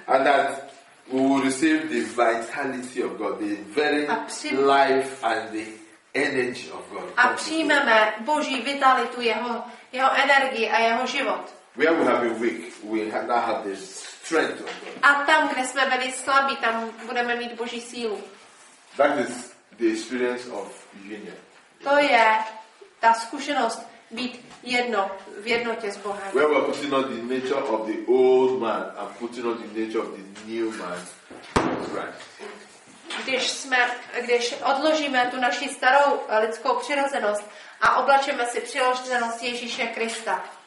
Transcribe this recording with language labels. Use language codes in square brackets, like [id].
[en] And that we will receive the vitality of God, the very life and the energy of God. [cs] A přijmeme Boží vitalitu, jeho energii a jeho život. [en] We have been weak, we have not had the strength of God. [cs] A tam, kde jsme byli slabí, tam budeme mít Boží sílu. [en] That is the experience of union. [cs] To je ta zkušenost být jedno v jednotě s Bohem. [en] Where we are putting on the nature of the old man and putting on the nature of the new man. Right. [cs] Když odložíme tu naši starou lidskou přirozenost a oblačíme si přirozenost Ježíše Krista.